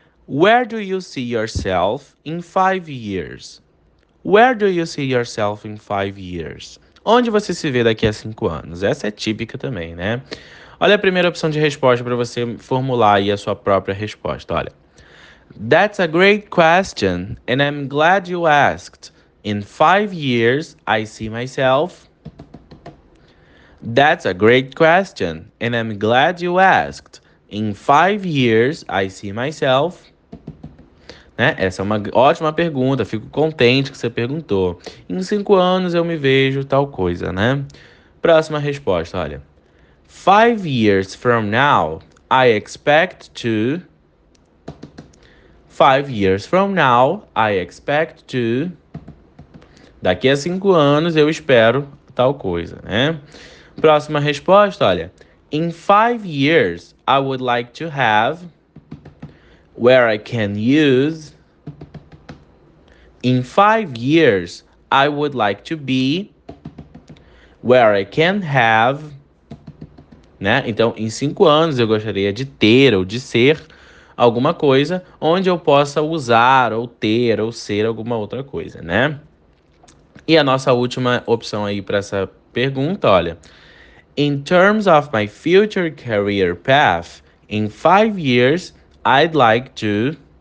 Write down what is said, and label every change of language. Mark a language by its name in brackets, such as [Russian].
[English] Where do you see yourself in 5 years? Where do you see yourself in 5 years? [Portuguese] Onde você se vê daqui a 5 anos? Essa é típica também, né? Olha a primeira opção de resposta para você formular aí a sua própria resposta, olha. [English] That's a great question, and I'm glad you asked. In 5 years, I see myself... That's a great question, and I'm glad you asked. In 5 years, I see myself. [Portuguese] Né? Essa é uma ótima pergunta, fico contente que você perguntou. Em 5 anos, eu me vejo tal coisa, né? Próxima resposta, olha. [English] 5 years from now, I expect to... 5 years from now, I expect to... [Portuguese] Daqui a 5 anos, eu espero tal coisa, né? Próxima resposta, olha. [English] In 5 years, I would like to have where I can use. In 5 years, I would like to be where I can have. [Portuguese] Né? Então, em 5 anos, eu gostaria de ter ou de ser alguma coisa onde eu possa usar ou ter ou ser alguma outra coisa, né? E a nossa última opção aí para essa pergunta, olha. [English] In terms of my future career path, in 5 years, I'd like to...